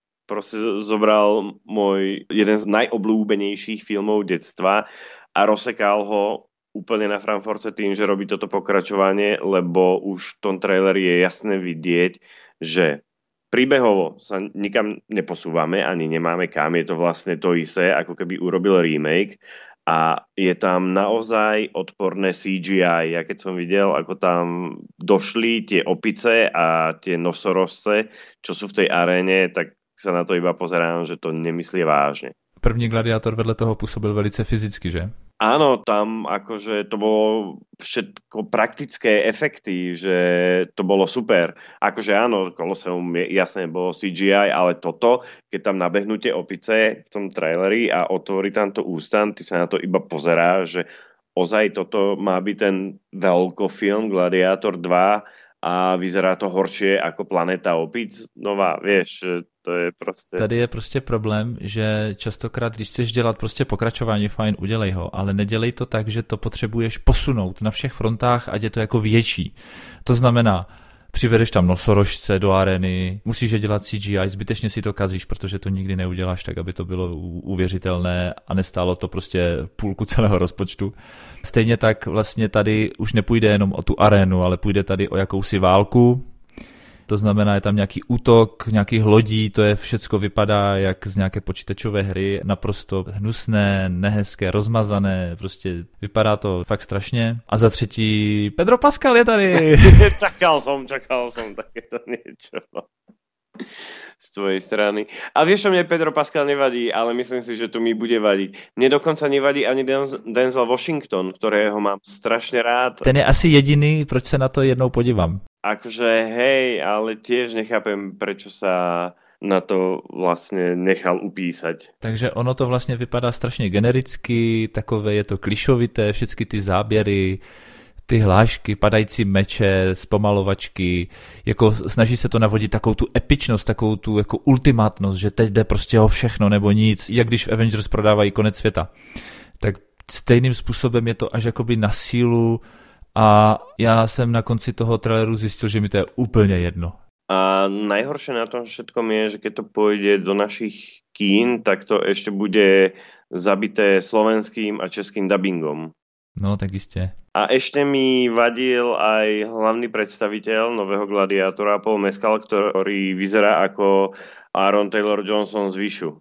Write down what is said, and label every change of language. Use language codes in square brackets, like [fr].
[sk] Proste zobral môj jeden z najobľúbenejších filmov detstva a rozsekal ho úplne na Frankfurte tým, že robí toto pokračovanie, lebo už v tom traileri je jasné vidieť, že príbehovo sa nikam neposúvame, ani nemáme kam, je to vlastne to isté, ako keby urobil remake, a je tam naozaj odporné CGI. Ja keď som videl, ako tam došli tie opice a tie nosorožce, čo sú v tej aréne, tak sa na to iba pozerám, že to nemyslí vážne. [cs] První Gladiátor vedle toho pôsobil velice fyzicky, že? [sk] Áno, tam akože to bolo všetko praktické efekty, že to bolo super. Akože áno, Colosseum jasne bolo CGI, ale toto, keď tam nabehnú tie opice v tom traileri a otvorí tam to ústan, ty sa na to iba pozerá, že ozaj toto má byť ten veľkofilm Gladiator 2 a vyzerá to horšie ako Planeta opic nová, vieš, to je proste... [cs] Tady je proste problém, že častokrát, když chceš dělat proste pokračování, fajn, udělej ho, ale nedělej to tak, že to potřebuješ posunout na všech frontách, ať je to jako větší. To znamená, přivedeš tam nosorožce do arény, musíš je dělat CGI, zbytečně si to kazíš, protože to nikdy neuděláš tak, aby to bylo uvěřitelné a nestálo to prostě půlku celého rozpočtu. Stejně tak vlastně tady už nepůjde jenom o tu arénu, ale půjde tady o jakousi válku. To znamená, je tam nějaký útok, nějaký lodí, to je všecko vypadá jak z nějaké počítačové hry, naprosto hnusné, nehezké, rozmazané, prostě vypadá to fakt strašně. A za třetí, Pedro Pascal je tady. [sk] čakal som, tak je to niečo z tvojej strany. A vieš, čo mne Pedro Pascal nevadí, ale myslím si, že tu mi bude vadiť. Mne dokonca nevadí ani Denzel Washington, ktorého mám strašne rád. [cs] Ten je asi jediný, proč sa na to jednou podívam. [sk] Akože hej, ale tiež nechápem, prečo sa na to vlastne nechal upísať. [cs] Takže ono to vlastne vypadá strašne genericky, takové je to klišovité, všetky ty záběry, ty hlášky, padající meče, zpomalovačky, jako snaží se to navodit takovou tu epičnost, takovou tu jako ultimátnost, že teď jde prostě o všechno nebo nic, jak když v Avengers prodávají konec světa. Tak stejným způsobem je to až jakoby na sílu a já jsem na konci toho traileru zjistil, že mi to je úplně jedno. [sk] A najhoršie na tom všetkom je, že keď to pôjde do našich kín, tak to ešte bude zabité slovenským a českým dubbingom. No, tak isté. A ešte mi vadil aj hlavný predstaviteľ nového Gladiátora, Paul Mescal, ktorý vyzerá ako Aaron Taylor Johnson z Vishu.